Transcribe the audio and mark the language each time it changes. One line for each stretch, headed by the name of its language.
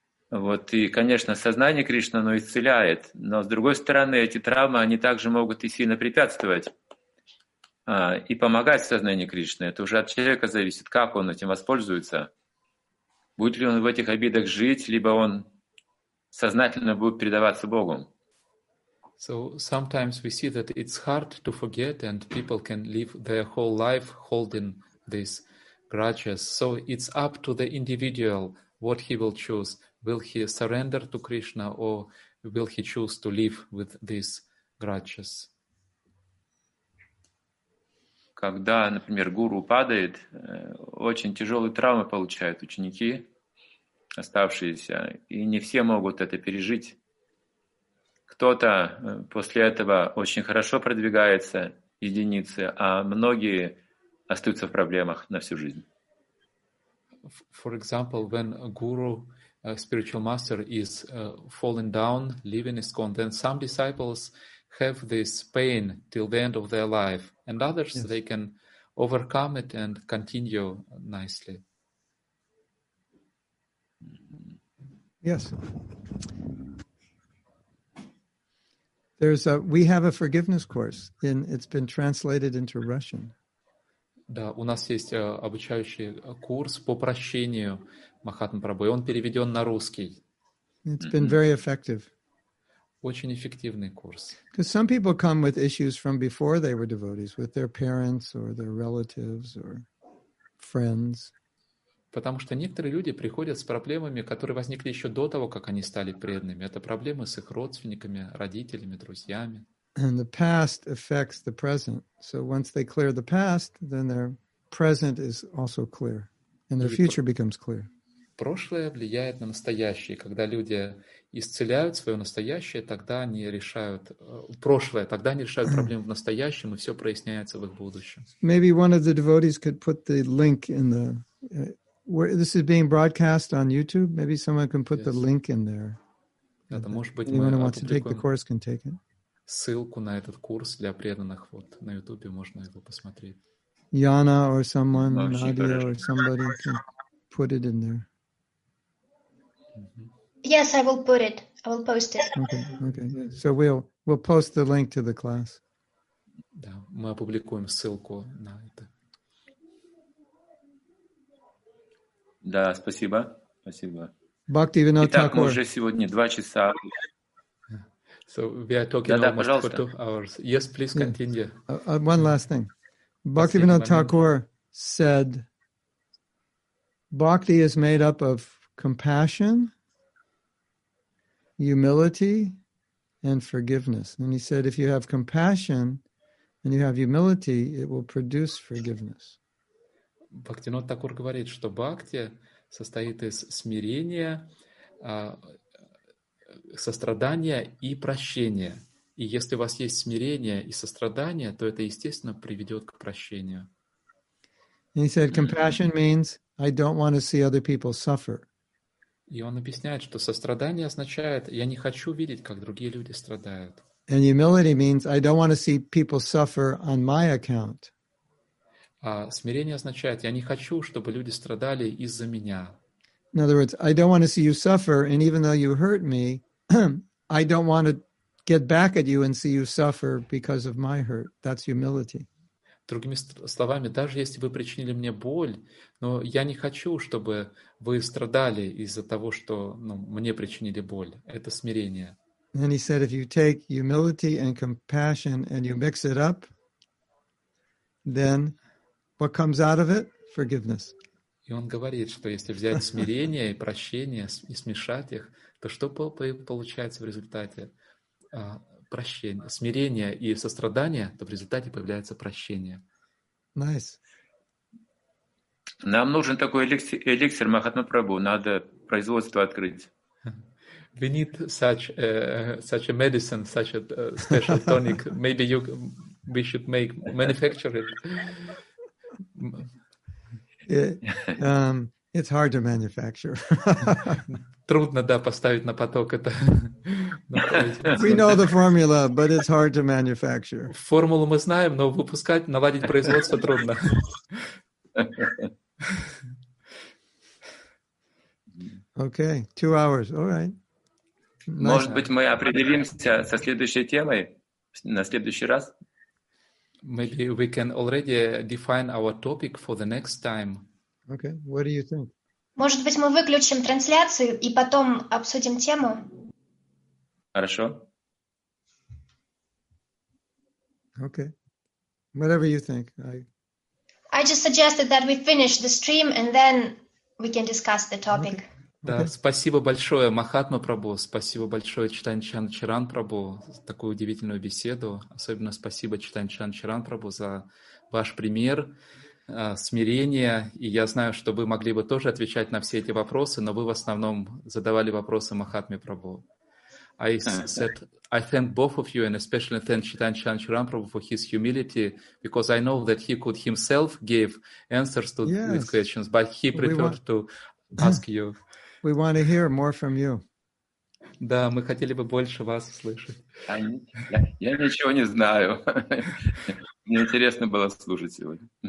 Russian: Вот, и, конечно, сознание Кришны, оно исцеляет, но, с другой стороны, эти травмы, они также могут и сильно препятствовать и помогать сознанию Кришны. Это уже от человека зависит, как он этим воспользуется. Будет ли он в этих обидах жить, либо он сознательно будет предаваться Богу.
English: So sometimes we see that it's hard to forget, and people can live their whole life holding these grudges. So it's up to the individual what he will choose. Will he surrender to Krishna, or will he choose to live with these grudges?
Russian: Когда, например, гуру падает, очень тяжелые травмы получают ученики, оставшиеся, и не все могут это пережить. Кто-то после этого очень хорошо продвигается, единицы, а многие остаются в проблемах на всю жизнь.
English: For example, when a guru, a spiritual master, is falling down, leaving ISKCON, then some disciples have this pain till the end of their life, and others, yes, they can overcome it and continue nicely. Yes. We have a forgiveness course, and it's been translated into Russian.
Russian: Да, у нас есть обучающий курс по прощению Махатмы Прабху, и он переведен на русский.
English: It's been very effective.
Russian: Очень эффективный курс.
English: Because some people come with issues from before they were devotees, with their parents or their relatives or friends.
Russian: Потому что некоторые люди приходят с проблемами, которые возникли еще до того, как они стали преданными. Это проблемы с их родственниками, родителями, друзьями.
English: And the past affects the present. So once they clear the past, then their present is also clear, and their future becomes clear.
Russian: Прошлое влияет на настоящее. Когда люди исцеляют свое настоящее, тогда они решают прошлое, тогда они решают проблемы в настоящем, и все проясняется в их будущем.
English: Maybe one of the devotees could put the link in the where this is being broadcast on YouTube. Maybe someone can put the link in there.
Russian: Это может быть.
English: Anyone who wants to take the course can take it.
Russian: Ссылку на этот курс для преданных вот на YouTube можно его посмотреть.
English: Яна or someone, Nadia or somebody can put it in there. Yes, I will put it. I will post it. Okay. So we'll post the link to the class.
Russian: Да, мы опубликуем ссылку на это. Да, спасибо. Спасибо. Бхактивинод Итак, мы уже сегодня 2 часа.
English: So we are talking almost for 2 hours. Yes, please continue. One last thing. Bhaktivinoda Thakur said, bhakti is made up of compassion, humility, and forgiveness. And he said, if you have compassion and you have humility, it will produce forgiveness.
Russian: Bhaktivinoda Thakur говорит, что бхакти состоит из смирения, сострадание и прощение. И если у вас есть смирение и сострадание, то это, естественно, приведет к прощению.
English: He said, compassion means I don't want to see other people suffer.
Russian: И он объясняет, что сострадание означает, я не хочу видеть, как другие люди страдают.
English: And humility means I don't want to see people suffer on my account.
Russian: А смирение означает, я не хочу, чтобы люди страдали из-за меня.
English: In other words, I don't want to see you suffer, and even though you hurt me, I don't want to get back at you and see you suffer because of my hurt. That's humility.
Russian: Другими словами, даже если вы причинили мне боль, но я не хочу, чтобы вы страдали из-за того, что мне причинили боль. Это смирение.
English: And he said, if you take humility and compassion and you mix it up, then what comes out of it? Forgiveness.
Russian: И он говорит, что если взять смирение и прощение и смешать их, то что получается в результате? Прощение. Смирение и сострадание, то в результате появляется прощение.
English: Nice.
Russian: Нам нужен такой эликсир Махатма Прабху. Надо производство открыть.
English: We need such a medicine, such a special tonic. Maybe we should manufacture it. It's hard to manufacture.
Russian: Трудно, да, поставить на поток это
English: We know the formula, but it's hard to manufacture.
Russian: Формулу мы знаем, но выпускать, наладить производство трудно.
English: Okay, 2 hours, all right. Nice.
Russian: Может быть, мы определимся со следующей темой на следующий раз?
English: Maybe we can already define our topic for the next time. Okay, what do you think?
Russian: Может быть, мы выключим трансляцию и потом обсудим тему? Хорошо.
English: Okay, whatever you think. I just suggested that we finish the stream and then we can discuss the topic. Okay.
Russian: Да, okay. Спасибо большое, Махатма Прабху, спасибо большое, Читанчан Чиран Прабху, за такую удивительную беседу. Особенно спасибо, Читанчан Чиран Прабху, за ваш пример смирения. И я знаю, что вы могли бы тоже отвечать на все эти вопросы, но вы в основном задавали вопросы Махатме Прабху.
English: I said, I thank both of you, and especially thank Chaitanya Charan Prabhu for his humility, because I know that he could himself give answers to these questions, but he preferred to ask you. We want to hear more from you.
Russian: Да, мы хотели бы больше вас услышать. Я ничего не знаю. Мне интересно было слушать сегодня.